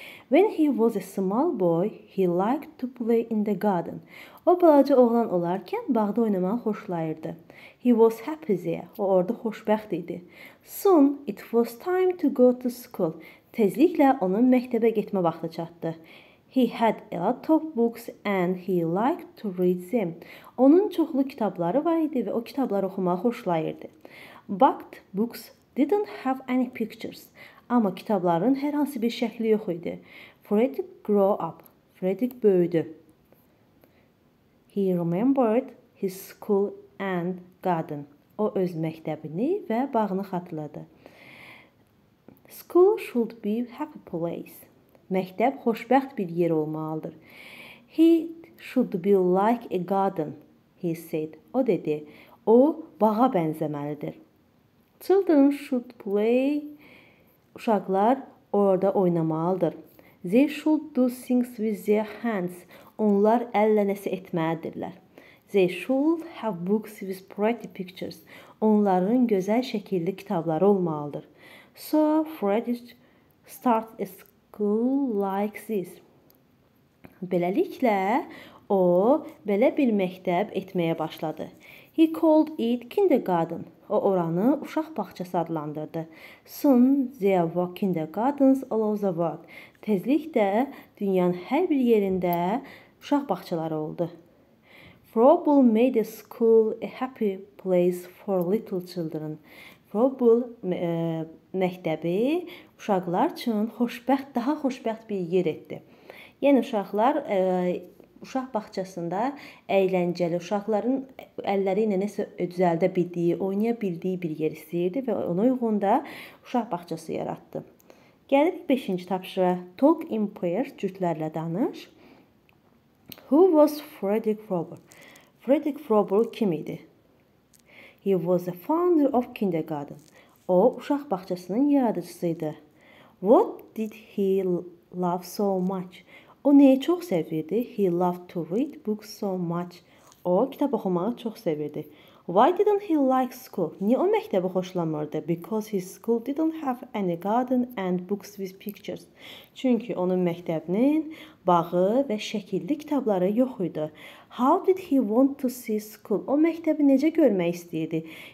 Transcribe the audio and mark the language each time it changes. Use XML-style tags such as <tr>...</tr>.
<en>When he was a small boy, he liked to play in the garden.</en> <az>O balaca oğlan olarken bağda oynamayı hoşlayırdı.</az> <en>He was happy there.</en> <az>O orada hoşbəxt idi.</az> <en>Soon it was time to go to school.</en> <az>Tezliklə onun məktəbə getmə vaxtı çatdı.</az> <en>He had a lot of books and he liked to read them.</en> <az>Onun çoxlu kitabları var idi və o kitabları oxumağı xoşlayırdı.</az> <en>But books didn't have any pictures.</en> <az>Amma kitabların hər hansı bir şəkli yox idi.</az> <en>Fredrik grew up. Fredrik böyüdü. He remembered his school and garden.</en> <az>O öz məktəbini və bağını xatırladı.</az> <en>School should be a happy place.</en> <az>Məktəb xoşbəxt bir yer olmalıdır.</az> <en>He should be like a garden, he said.</en> <az>O dedi, o bağa bənzəməlidir.</az> <en>Children should play.</en> <az>Uşaqlar orada oynamalıdır.</az> <en>They should do things with their hands.</en> <az>Onlar əllə nəsə etməlidirlər.</az> <en>They should have books with pretty pictures.</en> <az>Onların gözəl şəkilli kitabları olmalıdır.</az> <en>So Friedrich started a school like this.</en> <az>Beləliklə, o belə bir məktəb etməyə başladı.</az> <en>He called it kindergarten.</en> <az>O oranı uşaq bağçası adlandırdı.</az> <en>Soon there were kindergartens all over the world.</en> <az>Tezliklə dünyanın hər bir yerində uşaq bağçaları oldu.</az> <en>Froebel made a school a happy place for little children.</en> <az>Froebel məktəbi uşaqlar üçün xoşbəxt, daha xoşbəxt bir yer etdi. Yəni uşaqlar uşaq bağçasında əyləncəli, uşaqların əlləri ilə nəsə düzəldə bildiyi, oynaya bildiyi bir yer istəyirdi və ona uyğun da uşaq bağçası yaratdı. Gəlib 5-ci tapşırıq.</az> <en>Talk in pairs,</en> <az>cütlərlə danış.</az> <en>Who was Friedrich Froebel?</en> <az>Friedrich Froebel kim idi?</az> <en>He was the founder of kindergarten.</en> <az>O, uşaq bağçasının yaradıcısıydı.</az> <en>What did he love so much?</en> <az>O, neyi çox sevirdi?</az> <en>He loved to read books so much.</en> <az>O, kitab oxumağı çox sevirdi.</az> <en>Why didn't he like school?</en> <az>Niyə o məktəbi xoşlamırdı?</az> <en>Because his school didn't have any garden and books with pictures.</en> <az>Çünki onun məktəbinin bağı və şəkilli kitabları yox idi.</az> <en>How did he want to see school?</en> <az>O məktəbi necə görmək istəyirdi?</az>